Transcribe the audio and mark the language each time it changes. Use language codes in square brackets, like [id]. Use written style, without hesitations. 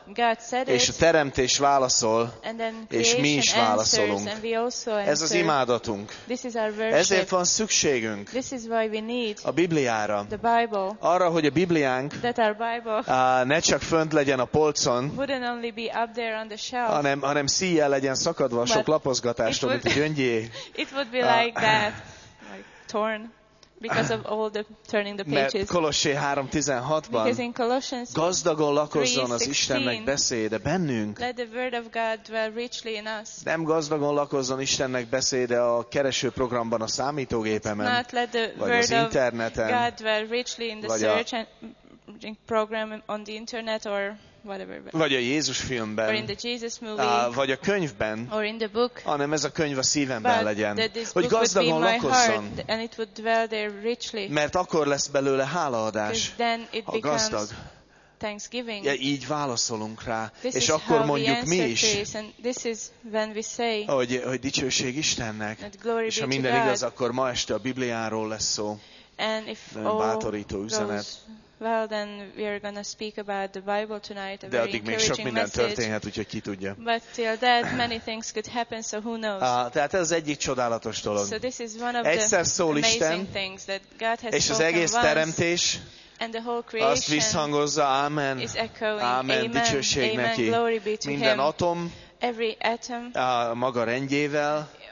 [en] God said [hu] és [en] it, [hu] a teremtés válaszol, [en] and then [hu] és mi is válaszolunk. [en] Answers, and we also answer. [hu] Ez az imádatunk. [en] This is our worship. [hu] Ezért van szükségünk [en] this is why we need [hu] a Bibliára. [en] The Bible. [hu] Arra, hogy a Bibliánk [en] that our Bible [hu] ne csak fönt legyen a polcon, [en] wouldn't only be up there on the shelf, [hu] hanem szíjjel legyen szakadva sok lapozgatástól, mint a gyöngyé. [en] It would be like that, like torn. Because of all the turning the pages. [hu] Mert Kolossé 3:16-ban gazdagon lakozzon az Istennek beszéde bennünk. [en] Let the word of God dwell richly in us. [hu] Nem gazdagon lakozzon Istennek beszéde a kereső programban a számítógépemen, vagy az interneten, [en] God dwell richly in the search engine program on the internet or whatever, [hu] vagy a Jézus filmben, [en] or in the Jesus movie, [hu] vagy a könyvben, [en] or in the book, [hu] hanem ez a könyv a szívemben legyen, hogy gazdagon lakozzon, [en] and it would dwell there richly, [hu] mert akkor lesz belőle hálaadás, [en] then it [hu] a gazdag. [en] Thanksgiving. [hu] Ja, így válaszolunk rá, [en] this [hu] és akkor mondjuk mi is, [en] this, and this is when we say, [hu] hogy dicsőség Istennek, és ha minden igaz, akkor ma este a Bibliáról lesz szó, [en] and if [hu] bátorító [en] goes, [hu] üzenet. [en] Well, then we are going to speak about the Bible tonight, a [hu] de [en] very encouraging message. [hu] Történhet, úgyhogy ki tudja. [en] But till that, many things could happen, so who knows. [hu] Tehát ez az egyik csodálatos dolog. [en] So this is one of [hu] egyszer [en] the amazing [hu] Isten, [en] things that God has [hu] és [en] spoken [hu] az egész [en] once, [hu] teremtés, [en] and the whole creation [hu] azt visszhangozza, amen, [en] is echoing, amen, amen, [hu] dicsőség [en] amen, [hu] neki. [en] Glory be to [hu] minden [en] him. [hu] Atom, [en] every atom, [hu] a maga rendjével,